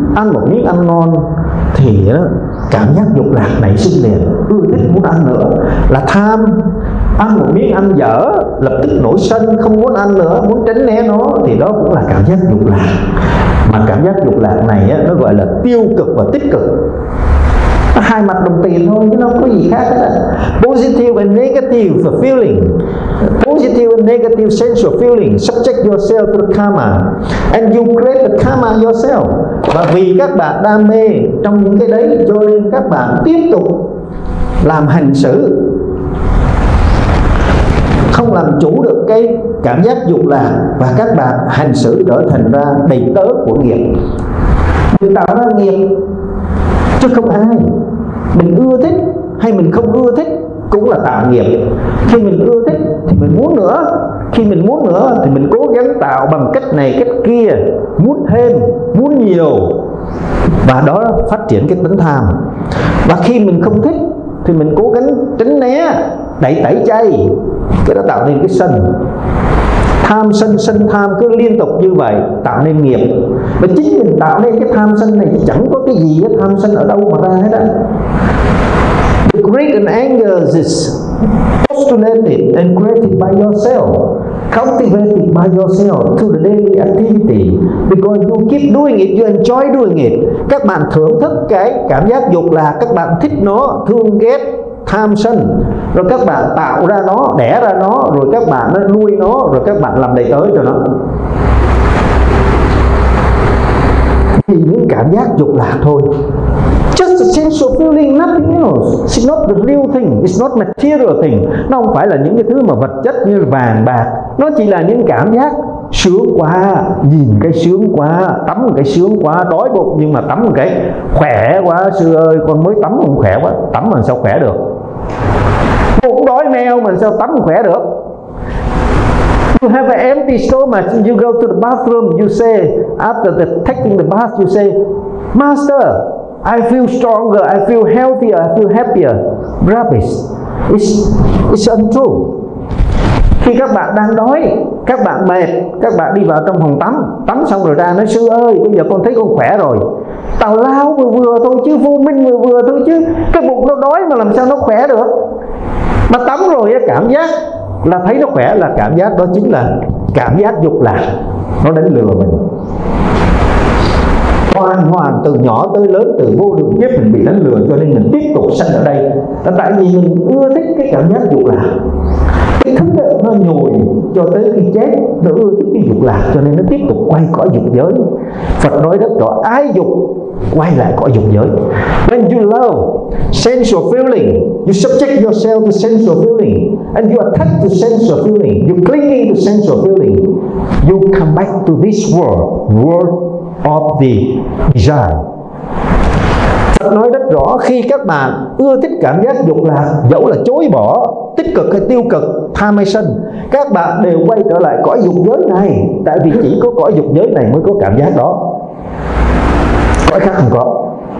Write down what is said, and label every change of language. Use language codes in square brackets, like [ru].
[vi] Ăn một miếng ăn ngon thì cảm giác dục lạc nảy sinh liền, ưa thích muốn ăn nữa, là tham. Ăn một miếng ăn dở lập tức nổi sân, không muốn ăn nữa, muốn tránh né nó, thì đó cũng là cảm giác dục lạc. Mà cảm giác dục lạc này nó gọi là tiêu cực và tích cực, nó hai mặt đồng tiền thôi chứ nó không có gì khác hết. [en] Positive and negative feeling, positive and negative sensual feeling, subject yourself to the karma and you create the karma yourself. [vi] Và vì các bạn đam mê trong những cái đấy cho nên các bạn tiếp tục làm hành xử, không làm chủ được cái cảm giác dục lạc, và các bạn hành xử trở thành ra đầy tớ của nghiệp. Mình tạo ra nghiệp chứ không ai. Mình ưa thích hay mình không ưa thích cũng là tạo nghiệp. Khi mình ưa thích thì mình muốn nữa, khi mình muốn nữa thì mình cố gắng tạo bằng cách này cách kia, muốn thêm, muốn nhiều, và đó phát triển cái tính tham. Và khi mình không thích thì mình cố gắng tránh né, đẩy tẩy chay, cái đó tạo nên cái sân. Tham sân, sân tham cứ liên tục như vậy tạo nên nghiệp. Và chính mình tạo nên cái tham sân này chẳng có cái gì, cái tham sân ở đâu mà ra hết đó. [en] The greed and anger is postulated and created by yourself, cultivated by yourself through the daily activity. Because you keep doing it, you enjoy doing it. [vi] Các bạn thưởng thức cái cảm giác dục là các bạn thích nó, thương ghét, tham sân, rồi các bạn tạo ra nó, đẻ ra nó, rồi các bạn nuôi nó, rồi các bạn làm đầy tớ cho nó. Thì những cảm giác dục lạc thôi. [en] Just a sensual feeling, nothing else. It's not the real thing, it's not material thing. [vi] Nó không phải là những cái thứ mà vật chất như vàng bạc. Nó chỉ là những cảm giác sướng quá, nhìn cái sướng quá, tắm cái sướng quá, đói bụng nhưng mà tắm cái khỏe quá. Sư ơi, con mới tắm không khỏe quá, tắm làm sao khỏe được? Bụng đói meo mà sao tắm khỏe được? [en] You have an empty stomach, you go to the bathroom, you say, after the taking the bath, you say, Master, I feel stronger, I feel healthier, I feel happier. Rubbish. It's untrue. [vi] Khi các bạn đang đói, các bạn mệt, các bạn đi vào trong phòng tắm, tắm xong rồi ra nói, sư ơi, bây giờ con thấy con khỏe rồi. Tào lao vừa vừa thôi chứ, vô minh vừa vừa thôi chứ. Cái bụng nó đói mà làm sao nó khỏe được? Mà tắm rồi cảm giác là thấy nó khỏe, là cảm giác đó chính là cảm giác dục lạc. Nó đánh lừa mình. Hoàn hoàn từ nhỏ tới lớn, từ vô lượng kiếp mình bị đánh lừa, cho nên mình tiếp tục sanh ở đây. Tại vì mình ưa thích cái cảm giác dục lạc. cái thứ đó nó nhồi cho tới khi chết, nó ưa thích cái dục lạc cho nên nó tiếp tục quay cõi dục giới. Phật nói rất rõ, ái dục quay lại cõi dục giới. [en] When you love sensual feeling, you subject yourself to sensual feeling, and you attach to sensual feeling, you clinging to sensual feeling, you come back to this world, world of the desire. [vi] Phật nói rất rõ, khi các bạn ưa thích cảm giác dục lạc, dẫu là chối bỏ, tích cực hay tiêu cực, tham hay sân, các bạn đều quay trở lại cõi dục giới này, tại vì chỉ có cõi dục giới này mới có cảm giác đó, cõi khác không có.